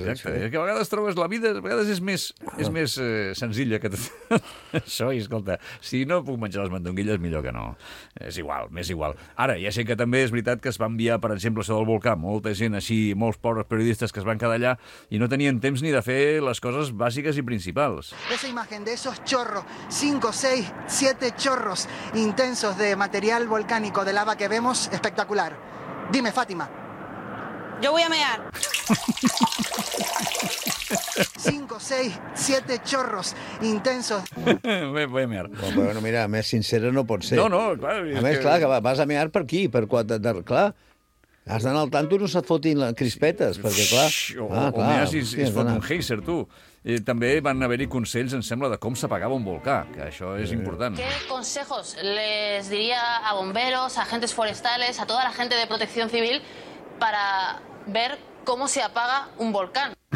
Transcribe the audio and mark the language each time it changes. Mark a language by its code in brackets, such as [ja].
[ca] Exacte, és que a vegades trobes la vida, a vegades és més senzilla que tot això. I escolta, si no puc menjar les mandonguilles, millor que no. És igual, més igual. Ara, ja sé que també és veritat que es va enviar, per exemple, això del volcà, molta gent així, molts pobres periodistes que es van quedar allà i no tenien temps ni de fer les coses bàsiques i principals. [es] Esa imagen de esos chorros, 5, 6, 7 chorros intensos de material volcánico de lava que vemos, espectacular. Dime, Fátima. Yo voy a mear. 5, 6, 7 chorros intensos. Voy a mear. [ca] Bueno, mira, més sincera no pot ser. No, clar. A més, que... clar, que vas a mear per aquí, per quatre... Clar, has d'anar al tanto i no se't fotin crispetes, sí. perquè clar... clar o meas i es fot un geyser, tu. I també van haver-hi consells, em sembla, de com s'apagava un volcà, que això és important. [es] ¿Qué consejos les diría a bomberos, a agentes forestales, a toda la gente de protección civil para ver cómo se apaga un volcán?